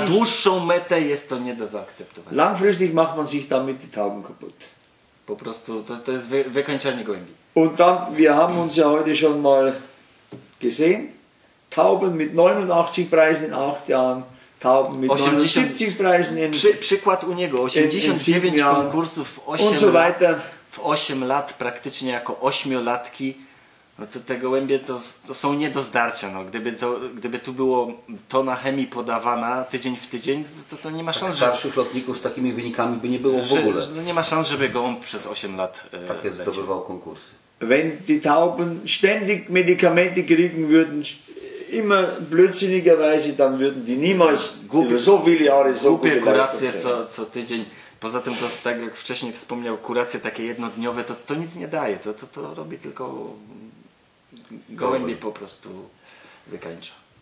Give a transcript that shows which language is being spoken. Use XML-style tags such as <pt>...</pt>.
<pl>Na dłuższą metę jest to nie do zaakceptowania.</pl> <de>Langfristig macht man sich damit die Tauben kaputt.</de> <pl>Po prostu to jest wykańczanie gołębi.</pl> <de>Und dann, wir haben uns ja heute schon mal gesehen. Tauben mit 89 Preisen in 8 Jahren, Tauben mit 79 Preisen in</de> <pl>7 Przykład u niego, 89 konkursów w 8 lat, praktycznie jako 8-latki. No to te gołębie to są nie do zdarcia. No. Gdyby tu było tona chemii podawana tydzień w tydzień, to nie ma tak szans. Starszych lotników z takimi wynikami by nie było w ogóle. No nie ma szans, żeby gołąb przez 8 lat takie zdobywał konkursy.</pl> <de>Wenn die Tauben ständig Medikamente kriegen würden, immer blödsinnigerweise, dann würden die niemals so viele Jahre so gute</de> <pl>kuracje co tydzień. Poza tym to, tak jak wcześniej wspomniał, kuracje takie jednodniowe, to nic nie daje. To robi tylko gołębie po prostu wykańcza.</pl>